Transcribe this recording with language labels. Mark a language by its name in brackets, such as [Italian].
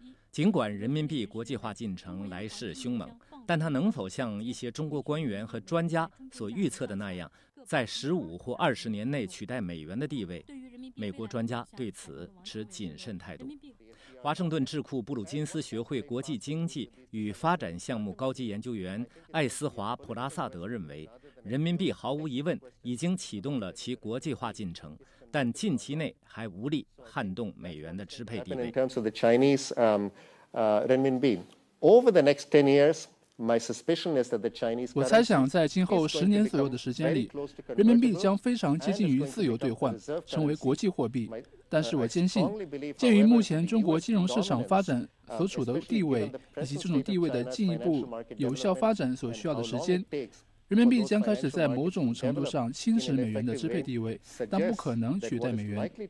[Chinese] 尽管人民币国际化进程来势凶猛，但它能否像一些中国官员和专家所预测的那样，在15或20年内取代美元的地位，美国专家对此持谨慎态度。华盛顿智库布鲁金斯学会国际经济与发展项目高级研究员艾斯华·普拉萨德认为，人民币毫无疑问已经启动了其国际化进程，但近期内还无力撼动美元的支配地位。 [English] In terms of the Chinese renminbi, over the next 10 years, my suspicion is that the Chinese. [Chinese] 我猜想，在今后10年左右的时间里，人民币将非常接近于自由兑换，成为国际货币。但是我坚信，鉴于目前中国金融市场发展所处的地位以及这种地位的进一步有效发展所需要的时间，人民币将开始在某种程度上侵蚀美元的支配地位，但不可能取代美元。